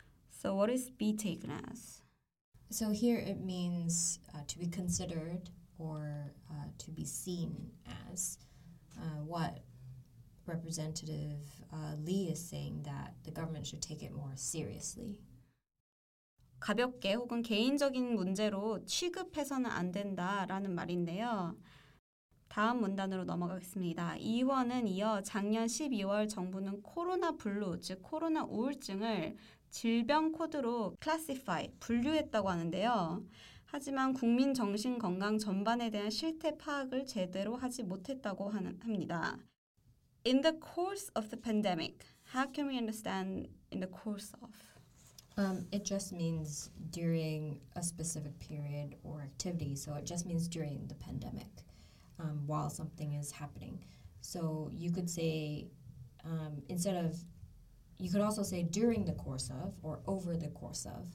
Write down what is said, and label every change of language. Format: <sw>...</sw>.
<en>So what is be taken as? So here it means to be considered or to be seen as. What Representative Lee is saying that the government should take it more seriously.</en> <ko>가볍게 혹은 개인적인 문제로 취급해서는 안 된다라는 말인데요. 다음 문단으로 넘어가겠습니다. 이 의원은 이어 작년 12월 정부는 코로나 블루, 즉 코로나 우울증을 질병 코드로 classify, 분류했다고 하는데요. 하지만 국민 정신 건강 전반에 대한 실태 파악을 제대로 하지 못했다고 합니다.</ko> <en>In the course of the pandemic, how can we understand in the course of? It just means during a specific period or activity. So it just means during the pandemic, while something is happening. So you could say, instead of, you could also say during the course of or over the course of.</en>